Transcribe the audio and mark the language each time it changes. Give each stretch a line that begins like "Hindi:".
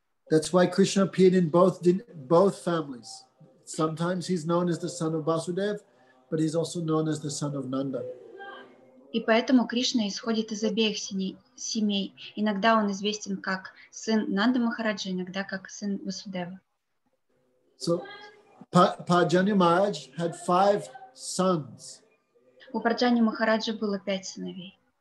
English: That's why Krishna appeared in both families. Sometimes he's known as the son of Basudev, but he's also known as the son of Nanda.
Russian: И поэтому Кришна исходит из обеих семей. Иногда он известен как сын Нанда Махараджа, иногда как сын Васудева.
English: So Парджанья Махарадж had five sons.
Russian: У Парджанья Махараджа было пять сыновей.